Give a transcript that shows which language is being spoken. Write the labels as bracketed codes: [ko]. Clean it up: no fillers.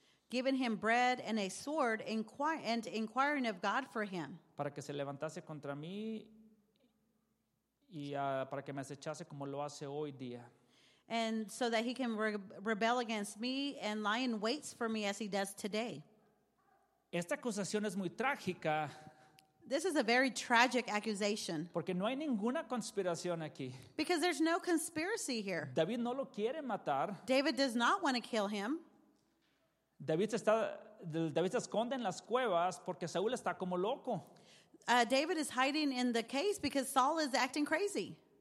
[en] Giving him bread and a sword and inquiring of God for him. [es] Para que se levantase contra mí y para que me acechase como lo hace hoy día. [en] And so that he can rebel against me and lie in wait for me as he does today. [es] Esta acusación es muy trágica. [en] This is a very tragic accusation. [es] Porque no hay ninguna conspiración aquí. [en] Because there's no conspiracy here. [es] David no lo quiere matar. [en] David does not want to kill him. [es] David se esconde en las cuevas porque Saúl está como loco. [en] David is hiding in the cave because Saul is acting crazy.